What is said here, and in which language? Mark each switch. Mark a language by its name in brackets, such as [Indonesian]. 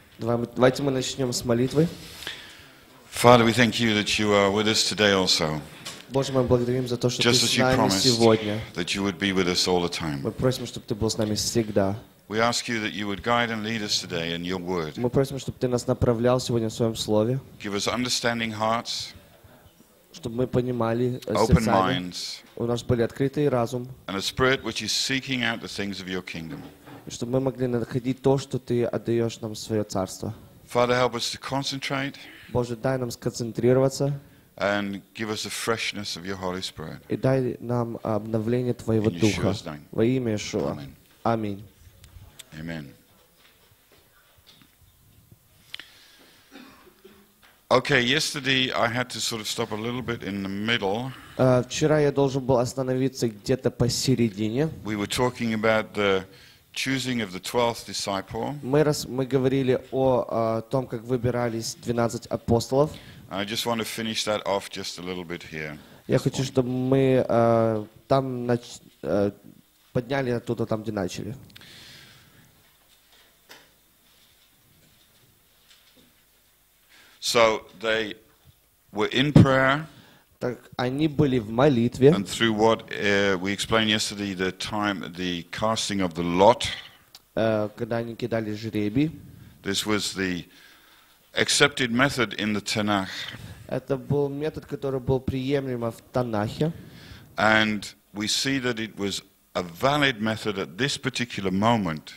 [Russian] Давайте мы начнем с молитвы. [English] Father, we thank you that you are with us today also. [Russian] Боже, мы благодарим за то, что [English] just [Russian] ты с нами [English] promised, [Russian] сегодня. [English] That you would be with us all the time. [Russian] Мы просим, чтобы ты был с нами всегда. [English] We ask you that you would guide and lead us today in your word. [Russian] Мы просим, чтобы ты нас направлял сегодня в своем слове. [English] Give us understanding hearts. [Russian] Чтобы мы понимали [English] open minds. [Russian] У нас были открытые разум. [English] And a spirit which is seeking out the things of your kingdom. [Russian] Чтобы мы могли находить то, что ты отдаешь нам в свое царство. [English] Father, help us to concentrate. [Russian] Боже, дай нам сконцентрироваться. [English] And give us the freshness of your Holy Spirit. [Russian] И дай нам обновление твоего духа. Во имя Иешуа. Аминь. [English] Amen. Okay, yesterday I had to sort of stop a little bit in the middle. [Russian] Вчера я должен был остановиться где-то посередине. [English] We were talking about the choosing of the 12th disciple. [Russian] Мы говорили о том, как выбирались 12 апостолов. [English] I just want to finish that off just a little bit here. [Russian] Я хочу, чтобы мы там подняли оттуда там, где начали. [English] So they were in prayer. [Russian] Так они были в молитве. [English] And through what we explained yesterday, the time, the casting of the lot. [Russian] Когда они кидали жребий. [English] This was the accepted method in the Tanakh. [Russian] Это был метод, который был приемлем в Танахе. [English] And we see that it was a valid method at this particular moment.